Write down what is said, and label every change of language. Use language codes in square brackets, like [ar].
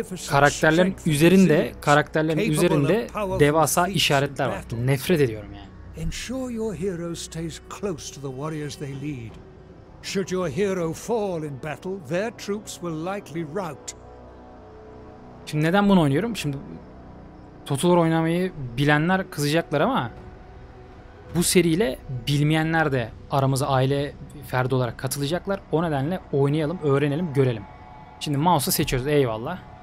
[tr] Karakterlerin üzerinde devasa işaretler var. Nefret ediyorum yani. [en] Should your hero fall in battle, their troops will likely rout. [tr] Şimdi neden bunu oynuyorum? Şimdi Total War oynamayı bilenler kızacaklar ama bu seriyle bilmeyenler de aramıza aile ferdi olarak katılacaklar. O nedenle oynayalım, öğrenelim, görelim. Şimdi mouse'u seçiyoruz. Eyvallah.